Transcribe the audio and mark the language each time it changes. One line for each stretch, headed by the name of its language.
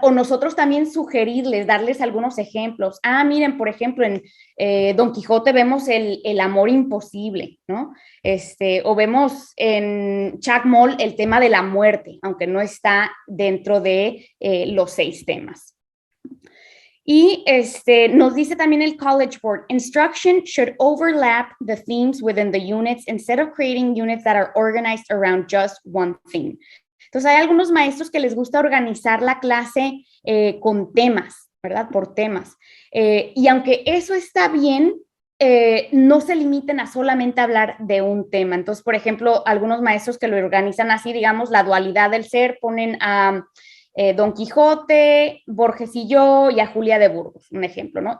Spanish: O nosotros también sugerirles, darles algunos ejemplos. Ah, miren, por ejemplo, en Don Quijote vemos el amor imposible, ¿no? O vemos en Chacmol el tema de la muerte, aunque no está dentro de los 6 temas. Y nos dice también el College Board,
English: instruction should overlap the themes within the units instead of creating units that are organized around just one theme.
Spanish: Entonces, hay algunos maestros que les gusta organizar la clase con temas, ¿verdad? Por temas. Y aunque eso está bien, no se limiten a solamente hablar de un tema. Entonces, por ejemplo, algunos maestros que lo organizan así, digamos, la dualidad del ser, ponen a Don Quijote, Borges y yo, y a Julia de Burgos, un ejemplo, ¿no?